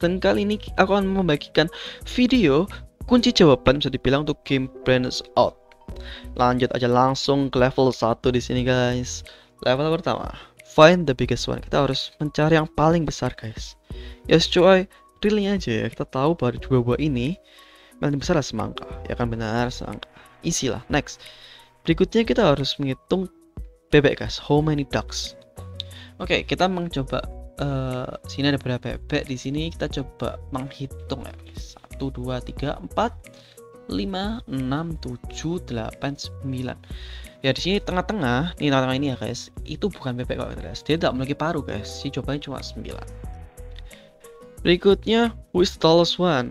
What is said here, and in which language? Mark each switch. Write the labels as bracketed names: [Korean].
[Indonesian] Dan kali ini aku akan membagikan video kunci jawaban bisa dibilang untuk game Brands Out. Lanjut aja langsung ke level 1 di sini guys. Level pertama, [English] find the biggest one. [Indonesian] Kita harus mencari yang paling besar guys. Yes coy, realnya aja ya. Kita tahu bahwa dua buah ini paling besar lah semangka. Ya kan benar semangka. Easy lah, next. Berikutnya kita harus menghitung bebek guys. [English] How many ducks? [Indonesian] Oke, okay, kita mencoba. Sini ada berapa bebek? Di sini kita coba menghitung ya. 1 2 3 4 5 6 7 8 9. Ya di sini tengah-tengah, nih tengah-tengah ini ya guys. Itu bukan bebek kok guys. Dia tidak memiliki paru guys. Si jawabannya cuma 9. [English] Berikutnya, who is the tallest one?